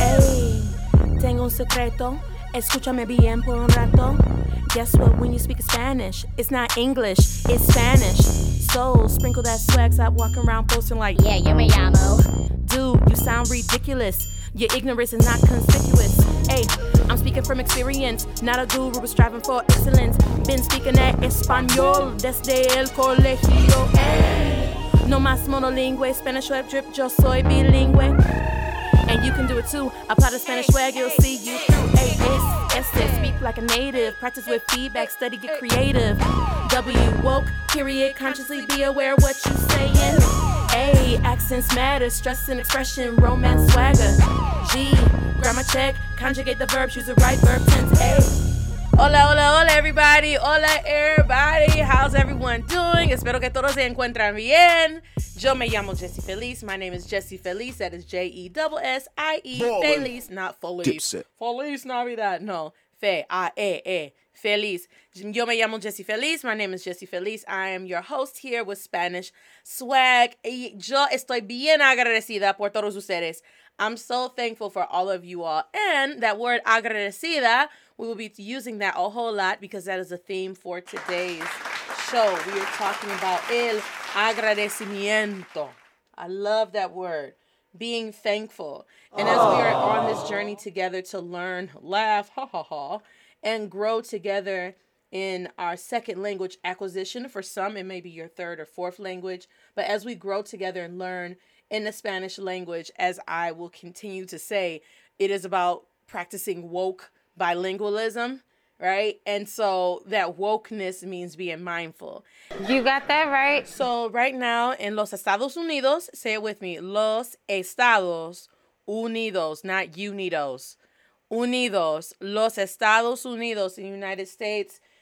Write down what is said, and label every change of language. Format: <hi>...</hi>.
<es>A, tengo un secreto, escúchame bien por un rato.</es> <en>Guess what, when you speak Spanish, it's not English, it's Spanish. So, sprinkle that swag, stop walking around posting like,</en> <es>yeah, yo me llamo.</es> <en>Dude, you sound ridiculous. Your ignorance is not conspicuous. Hey, I'm speaking from experience, not a guru, but striving for excellence. Been speaking that Espanol</en> <es>desde el colegio. Hey, no más monolingüe,</es> <en>Spanish web drip,</en> <es>yo soy bilingüe.</es> <en>And you can do it too, apply the Spanish swag, you'll see you through. Hey, this, este, speak like a native, practice with feedback, study, get creative. W, woke, period, consciously be aware what you saying. A, accents matter, stress and expression, romance, swagger. G, grammar check, conjugate the verbs, use the right verb tense. A. Hola, hola, hola, everybody. Hola, everybody. How's everyone doing?</en> <es>Espero que todos se encuentran bien. Yo me llamo Jesse Feliz.</es> <en>My name is Jesse Feliz. That is J-E-S-S-I-E. Feliz, not Feliz. Feliz, not be that. No. Fe-A-E-E. Feliz.</en> <es>Yo me llamo Jesse Feliz.</es> <en>My name is Jesse Feliz. I am your host here with Spanish Swag.</en> <es>Y yo estoy bien agradecida por todos ustedes.</es> <en>I'm so thankful for all of you all. And that word agradecida, we will be using that a whole lot because that is a theme for today's show. We are talking about el agradecimiento. I love that word. Being thankful. And as we are on this journey together to learn, laugh, ha ha ha, and grow together in our second language acquisition. For some, it may be your third or fourth language. But as we grow together and learn in the Spanish language, as I will continue to say, it is about practicing woke bilingualism, right? And so that wokeness means being mindful. You got that right. So right now in Los Estados Unidos, say it with me, Los Estados Unidos, not Unidos. Unidos, Los Estados Unidos in the United States.</en>